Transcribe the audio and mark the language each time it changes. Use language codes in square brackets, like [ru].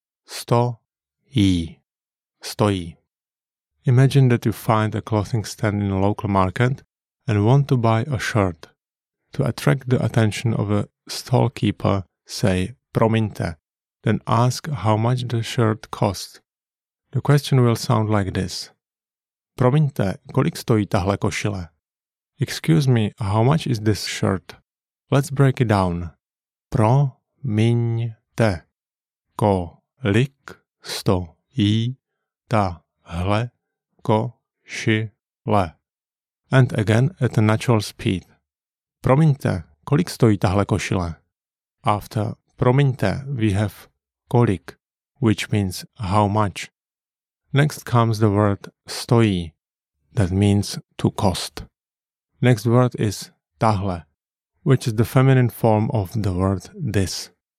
[cs] Stojí. Stojí. [en] Imagine that you find a clothing stand in a local market and want to buy a shirt. To attract the attention of a storekeeper, say promiňte, then ask how much the shirt costs. The question will sound like this. [cs] Promiňte, kolik stojí tahle košile? [en] Excuse me, how much is this shirt? Let's break it down. [cs] Promiňte, kolik stojí tahle košile? [en] And again at a natural speed. [cs] Promiňte, kolik stojí tahle košile? [en] After promiňte we have kolik, which means how much. Next comes the word stojí, that means to cost. Next word is tahle, which is the feminine form of the word this.